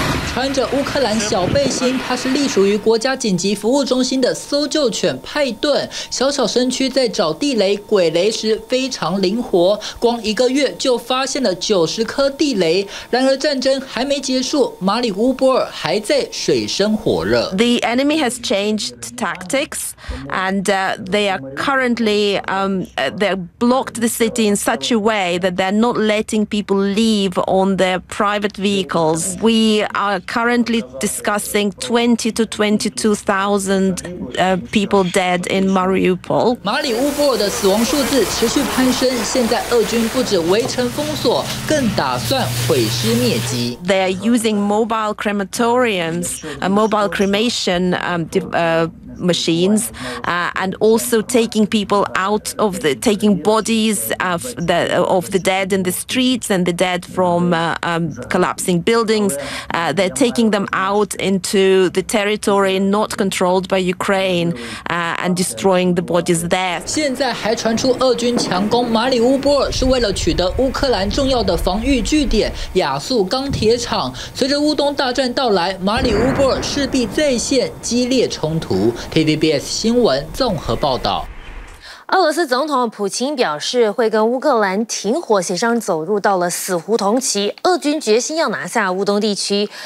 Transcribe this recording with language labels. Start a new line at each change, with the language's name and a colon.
Chinese: 穿着乌克兰小背心，他是隶属于国家紧急服务中心的搜救犬派顿。小小身躯在找地雷、鬼雷时非常灵活，光一个月就发现了90颗地雷。然而战争还没结束，马里乌波尔还在水深火热。
English: The enemy has changed tactics, and they are currently they blocked the city in such a way that they're not letting people leave on their private vehicles. We are currently discussing 20,000 to 22,000people dead in Mariupol.
Chinese: 马里乌波尔的死亡数字持续攀升，现在俄军不止围城封锁，更打算毁尸灭迹。
English: They are using mobile crematoriums, a mobile cremation machines, and also taking people out of the taking bodies of the dead in the streets and the dead from collapsing buildings. They're taking them out into the territory not controlled by Ukraine, and destroying the bodies there.
Chinese: 现在还传出俄军强攻马里乌波尔是为了取得乌克兰重要的防御据点亚速钢铁厂。随着乌东大战到来，马里乌波尔势必再现激烈冲突。 TVBS 新闻综合报道。俄罗斯总统普京表示会跟乌克兰停火协商走入到了死胡同期，俄军决心要拿下乌东地区。